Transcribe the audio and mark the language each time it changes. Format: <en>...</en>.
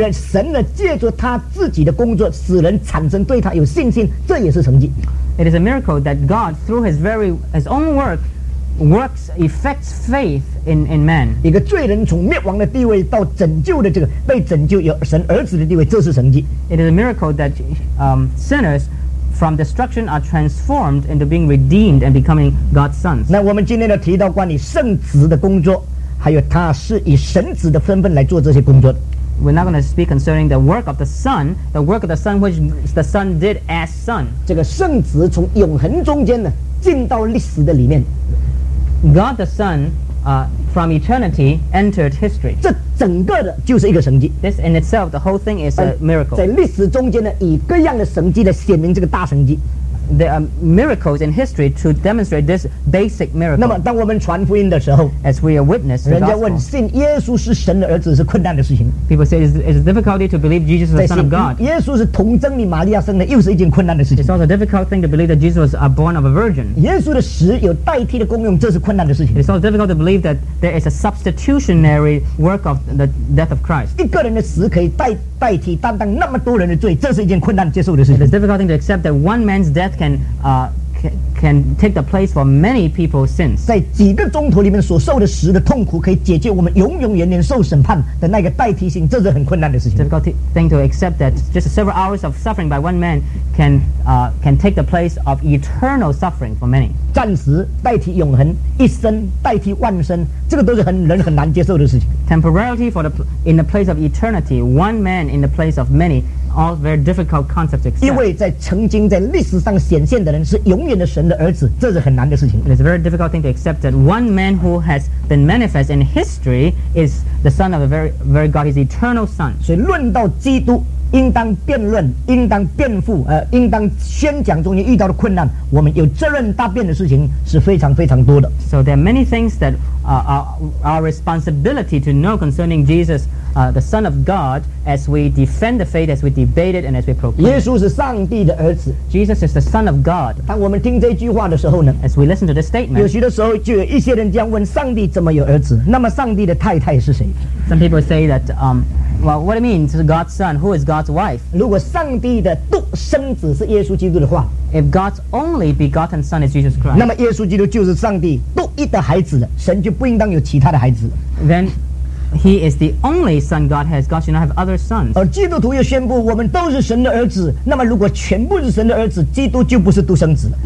<zh>所以神呢，借助他自己的工作，使人产生对他有信心，这也是神迹。</zh> <en>It is a miracle that God, through his own work, works, effects faith in man.</en> <zh>一个罪人从灭亡的地位到拯救的这个，被拯救有神儿子的地位，这是神迹。</zh> <en>It is a miracle that sinners,from destruction are transformed into being redeemed and becoming God's sons.</en> <zh>那我们今天要提到关于圣子的工作，还有他是以神子的身份来做这些工作。</zh> <en>We're not going to speak concerning the work of the Son, the work of the Son which the Son did as Son.</en> <zh>这个圣子从永恒中间呢进到历史的里面。</zh> <en>God the Son, from eternity entered history.</en> <zh>这整个的就是一个神迹。</zh> <en>This in itself, the whole thing is a miracle.</en> <zh>在历史中间呢，以各样的神迹来显明这个大神迹。</zh> <en>There are miracles in history to demonstrate this basic miracle.</en> <zh>那么，当我们传福音的时候</zh> <en>，as we are witness,</en> <zh>人家问信耶稣是神的儿子是困难的事情。</zh> <en>People say it's a difficulty to believe Jesus is the Son of God.</en> <zh>耶稣是童贞女玛利亚生的，又是一件困难的事情。</zh> <en>It's also a difficult thing to believe that Jesus was born of a virgin.</en> <zh>耶稣的死有代替的功用，这是困难的事情。</zh> <en>It's also difficult to believe that there is a substitutionary work of the death of Christ.</en> <zh>一个人的死可以代替担当那么多人的罪，这是一件困难接受的事情。</zh> <en>It's a difficult thing to accept that one man's death can take the place for many people's sins.</en> <zh>在几个钟头里面所受的死的痛苦，可以解决我们永永远远受审判的那个代替性，这是很困难的事情。</zh> <en>Difficult thing to accept that just several hours of suffering by one man can take the place of eternal suffering for many.</en> <zh>暂时代替永恒，一生代替万生，这个都是很难接受的事情。</zh> <en>Temporality in the place of eternity, one man in the place of many. All very difficult concepts to accept.</en> <zh>因为在曾经在历史上显现的人是永远的神的儿子，这是很难的事情。</zh> <en>It's a very difficult thing to accept that one man who has been manifest in history is the son of a very, very God, his eternal son.</en> <zh>所以论到基督，应当辩论，应当辩护，应当宣讲中间遇到的困难，我们有责任答辩的事情是非常非常多的。</zh> <en>So there are many things that are our responsibility to know concerning Jesus. The Son of God, as we defend the faith, as we debate it, and as we proclaim it.</en> <zh>耶稣是上帝的儿子。</zh> <en>Jesus is the Son of God.</en> <zh>当我们听这句话的时候呢</zh> <en>，as we listen to this statement,</en> <zh>有许多时候就有一些人这样问：上帝怎么有儿子？那么上帝的太太是谁</zh> <en>？Some people say that, well, what it means is God's son. Who is God's wife?</en> <zh>如果上帝的独生子是耶稣基督的话</zh> <en>，if God's only begotten son is Jesus Christ,</en> <zh>那么耶稣基督就是上帝独一的孩子了，神就不应当有其他的孩子。</zh> <en>Then. He is the only son God has. God should not have other sons.</en> <zh>而基督徒又宣布，我们都是神的儿子。那么，如果全部是神的儿子，基督就不是独生子。</zh>